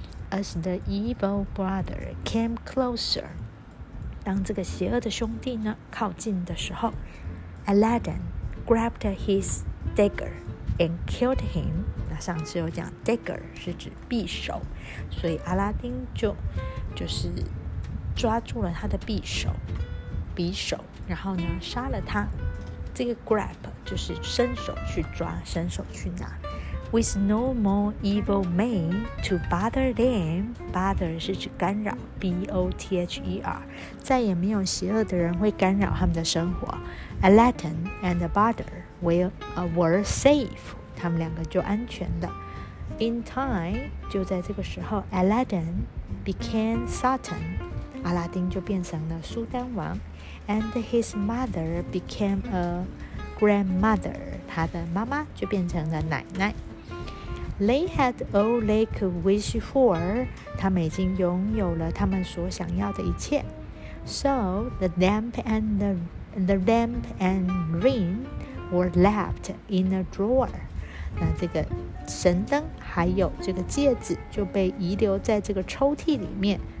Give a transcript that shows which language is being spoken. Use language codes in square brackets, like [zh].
[en] As the evil brother came closer, [zh] 当这个邪恶的兄弟呢靠近的时候， [en] Aladdin,grabbed his dagger and killed him. [zh] 那上次有讲 dagger 是指匕首，所以阿拉丁就是抓住了他的匕首，然后呢杀了他。这个 grab 就是伸手去抓，伸手去拿。 [en] With no more evil men to bother them, [zh] bother 是指干扰 ,B-O-T-H-E-R, 再也没有邪恶的人会干扰他们的生活。 [en] Aladdin and Badr were safe, [zh] 他们两个就安全的。 [en] In time, [zh] 就在这个时候 , [en] Aladdin became Sultan, [zh] 阿拉丁就变成了苏丹王。 [en] And his mother became a grandmother, [zh] 他的妈妈就变成了奶奶。 [en] They had all they could wish for. [zh] 他们已经拥有了他们所想要的一切。 [en] So the lamp and ring were left in a drawer. [zh] 那这个神灯还有这个戒指就被遗留在这个抽屉里面。